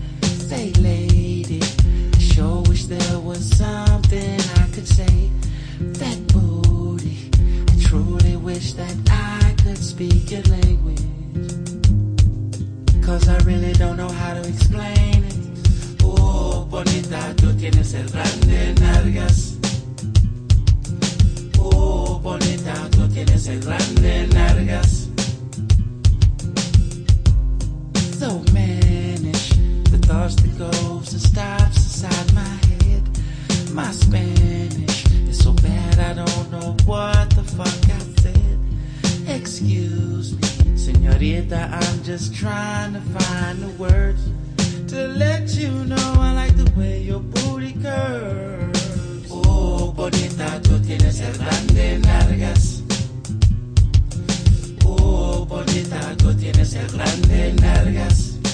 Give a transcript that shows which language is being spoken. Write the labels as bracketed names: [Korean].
[English] Say lady, I sure wish there was something I could say. That booty, I truly wish that I could speak your language. Cause I really don't know how to explain it. [Spanish] Oh, bonita, tú tienes el grande nalgas. Oh, bonita, tú tienes el grande nalgas. [English] So manish, the thoughts that goes and stops inside my head. My Spanish, so bad I don't know what the fuck I said. Excuse me, señorita, I'm just trying to find the words to let you know I like the way your booty curves. [Spanish] Oh, bonita, tú tienes el grande nalgas. Oh, bonita, tú tienes el grande nalgas.